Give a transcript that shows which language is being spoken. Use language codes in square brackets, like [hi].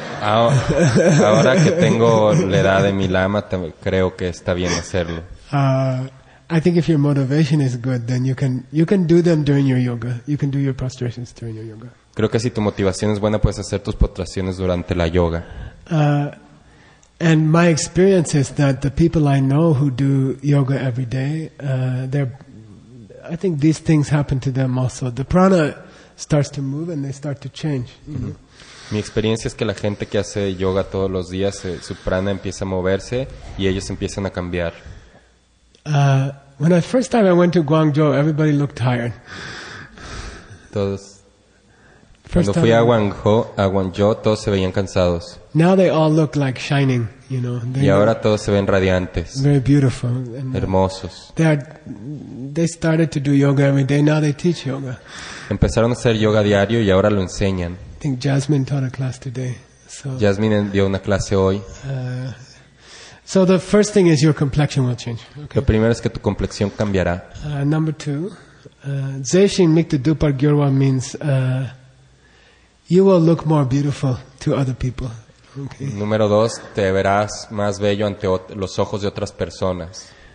[es] Ahora que tengo la edad de mi lama, creo que está bien hacerlo. [en] I think if your motivation is good, then you can do them during your yoga. You can do your prostrations during your yoga. [es] Creo que si tu motivación es buena, puedes hacer tus postraciones durante la yoga. [en] And my experience is that the people I know who do yoga every day, I think these things happen to them also. The prana starts to move and they start to change. [es] Mi experiencia es que la gente que hace yoga todos los días, su prana empieza a moverse y ellos empiezan a cambiar. [en] When the first time I went to Guangzhou, everybody looked tired. [es] Todos. Cuando fui a Guangzhou, todos se veían cansados. [en] Now they all look like shining, you know. [es] Y ahora todos se ven radiantes. [en] Very beautiful. And [es] hermosos. [en] They started to do yoga every day. Now they teach yoga. [es] Empezaron a hacer yoga diario y ahora lo enseñan. [en] I think Jasmine taught a class today. So, [es] Jasmine dio una clase hoy. [en] So the first thing is your complexion will change. [es] Okay. Lo primero es que tu complexión cambiará. [en] Number two, [bo] Zeshin Mikta Dupar Gyurwa [en] means you will look more beautiful to other people. Okay. [es] Número dos, te verás más bello ante los ojos de otras personas.